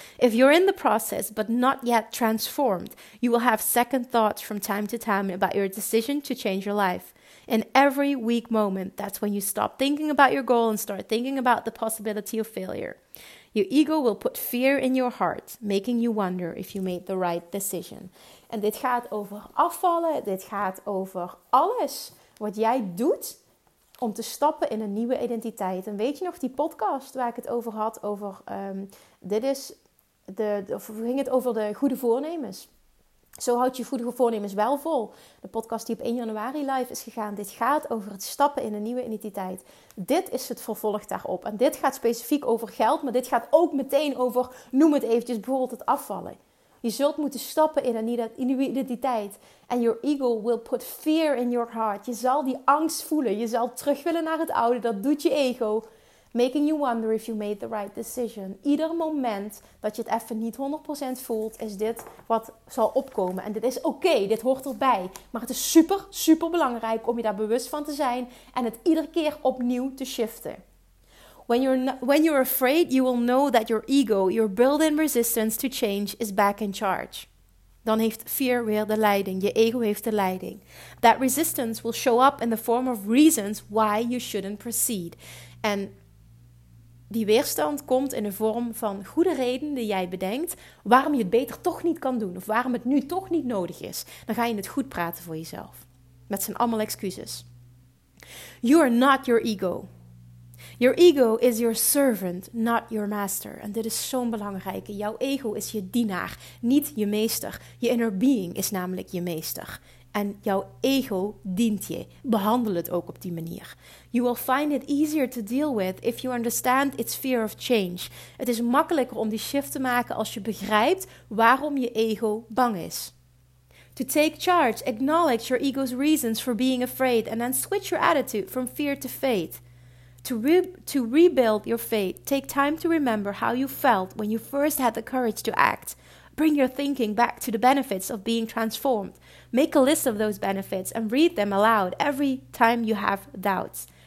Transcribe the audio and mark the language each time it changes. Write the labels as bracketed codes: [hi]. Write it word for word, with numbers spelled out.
[en] If you're in the process but not yet transformed, you will have second thoughts from time to time about your decision to change your life. In every weak moment, that's when you stop thinking about your goal and start thinking about the possibility of failure. Your ego will put fear in your heart, making you wonder if you made the right decision. [nl] En dit gaat over afvallen, dit gaat over alles wat jij doet om te stappen in een nieuwe identiteit. En weet je nog die podcast waar ik het over had? Over, um, dit is de, of ging het over de goede voornemens. Zo houd je goede voornemens wel vol. De podcast die op één januari live is gegaan. Dit gaat over het stappen in een nieuwe identiteit. Dit is het vervolg daarop. En dit gaat specifiek over geld. Maar dit gaat ook meteen over, noem het eventjes, bijvoorbeeld het afvallen. Je zult moeten stappen in een nieuwe identiteit. En [en] your ego will put fear in your heart. [nl] Je zal die angst voelen. Je zal terug willen naar het oude. Dat doet je ego. [en] Making you wonder if you made the right decision. [nl] Ieder moment dat je het even niet honderd procent voelt, is dit wat zal opkomen. En dit is oké, okay, dit hoort erbij. Maar het is super, super belangrijk om je daar bewust van te zijn. En het iedere keer opnieuw te shiften. [en] When you're not, when you're afraid, you will know that your ego, your built-in resistance to change, is back in charge. [nl] Dan heeft fear weer de leiding. Je ego heeft de leiding. [en] That resistance will show up in the form of reasons why you shouldn't proceed. [nl] En die weerstand komt in de vorm van goede redenen die jij bedenkt waarom je het beter toch niet kan doen of waarom het nu toch niet nodig is. Dan ga je het goed praten voor jezelf. Met zijn allemaal excuses. [en] You are not your ego. Your ego is your servant, not your master. [nl] En dit is zo'n belangrijke. Jouw ego is je dienaar, niet je meester. Je inner being is namelijk je meester. En jouw ego dient je. Behandel het ook op die manier. [en] You will find it easier to deal with if you understand its fear of change. [nl] Het is makkelijker om die shift te maken als je begrijpt waarom je ego bang is. [en] To take charge, acknowledge your ego's reasons for being afraid and then switch your attitude from fear to faith. To, re- to rebuild your faith, take time to remember how you felt when you first had the courage to act. Bring your thinking back to the benefits of being transformed. Make a list of those benefits and read them aloud every time you have doubts.